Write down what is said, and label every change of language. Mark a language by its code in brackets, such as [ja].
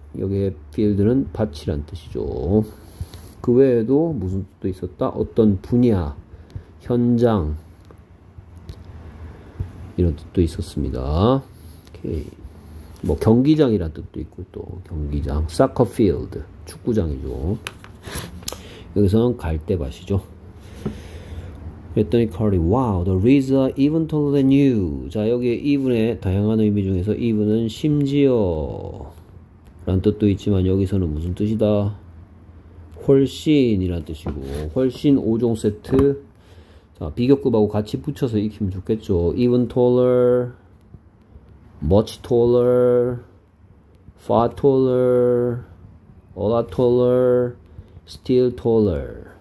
[ko] 여기에 필드는 밭이란 뜻이죠. 그 외에도 무슨 뜻도 있었다? 어떤 분야, 현장 이런 뜻도 있었습니다. 오케이. 뭐 경기장이란 뜻도 있고 또 경기장, 사커 필드, 축구장이죠. 여기서는 갈대밭이죠. 그랬더니 [en] Carly, wow, the reeds are even taller than you. [ko] 자, 여기에 even의 다양한 의미 중에서 even은 심지어 라는 뜻도 있지만 여기서는 무슨 뜻이다? 훨씬이란 뜻이고, 훨씬 5종 세트. 자, 비교급하고 같이 붙여서 익히면 좋겠죠. [en] Even taller, much taller, far taller, a lot taller, still taller.